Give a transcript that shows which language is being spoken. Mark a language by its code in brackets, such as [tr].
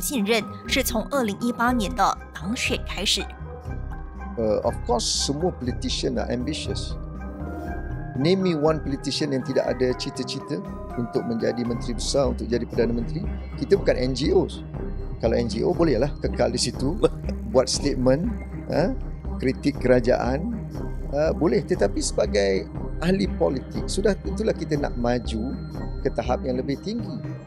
[zh] 像当初公正党主席安华与时任公正党署理主席阿兹敏是师徒，也是战友。可如今两人却站在了对立面，究竟是什么原因导致阿兹敏变心？具体引爆点又是在什么时候？阿兹敏做客格罗斯格扎节目时，闹出多年怨气，除了提到自己作为公正党首位州议员却未被考虑为薛州大臣人选外，也坦言自己对安华的不信任是从2018年的党选开始。 [en] Of course, [ms] semua [en] politician are ambitious. Name me one politician [ms] yang tidak ada cita-cita untuk menjadi menteri besar, untuk jadi Perdana Menteri. Kita bukan NGO. Kalau NGO, bolehlah kekal di situ. Buat statement, kritik kerajaan, boleh. Tetapi sebagai ahli politik, sudah tentulah kita nak maju ke tahap yang lebih tinggi.